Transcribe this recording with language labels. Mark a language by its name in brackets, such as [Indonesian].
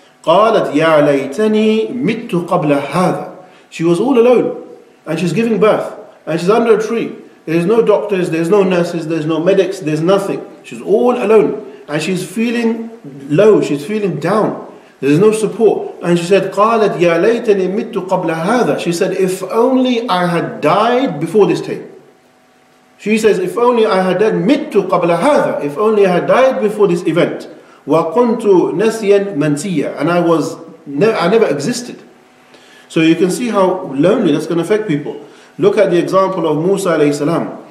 [Arabic] قَالَتْ يَا لَيْتَنِي مِتُّ قَبْلَ هَذَا. [English] She was all alone, and she's giving birth, and she's under a tree. There's no doctors, there's no nurses, there's no medics, there's nothing. She's all alone, and she's feeling low, she's feeling down. There's no support. And she said, [Arabic] قَالَتْ يَا لَيْتَنِي مِتُّ قَبْلَ هَذَا. [English] She said, if only I had died before this day. She says, if only I had died, [Arabic] مِتُّ قَبْلَ هَذَا. [English] If only I had died before this event. [Arabic] وَقُنْتُ نَسِيًا مَنْسِيًّا. [English] And I never existed. So you can see how lonely that's going to affect people. Look at the example of Musa alayhi salam.